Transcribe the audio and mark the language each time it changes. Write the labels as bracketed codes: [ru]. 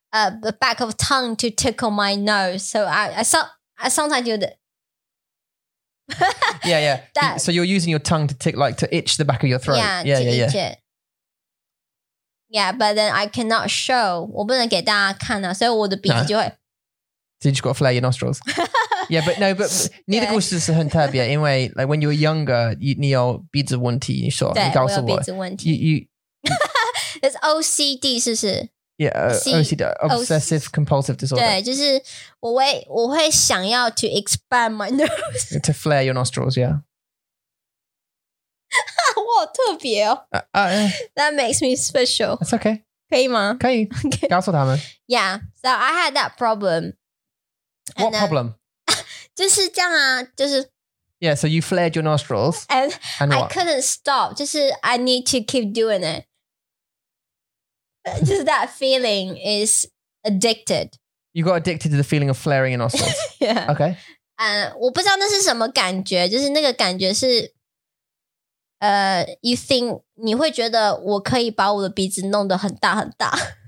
[en] The back of tongue to tickle my nose. So I sometimes do the... Yeah, yeah. That, so you're using your tongue to tick, like to itch the back of your throat. Yeah, but then I cannot show. [zh] 我不能给大家看啊，所以我的鼻子就会。 [en] So you just got to flare your nostrils. Yeah, but no, but [zh] 你的故事是很特别，因为 [en] like when you were younger, [zh] 你有鼻子问题，你说你告诉我，鼻子问题。 [en] It's OCD, 是不是？ Yeah, OCD, obsessive compulsive disorder. [zh] 对，就是我会想要 [en] to expand my nose, to flare your nostrils. Yeah, [zh] 我好特别哦。 [en] That makes me special. That's okay. [zh] 可以吗？可以。 [en] Okay. [zh] 告诉他们。 [en] Yeah, so I had that problem. What problem? [zh] 就是这样啊，就是。 [en] Yeah, so you flared your nostrils, and I couldn't stop. 就是 I need to keep doing it. Just that feeling is addicted. You got addicted to the feeling of flaring your nostrils. Yeah. Okay. [zh] 我不知道那是什么感觉，就是那个感觉是 [en] you think [zh] 你会觉得我可以把我的鼻子弄得很大很大。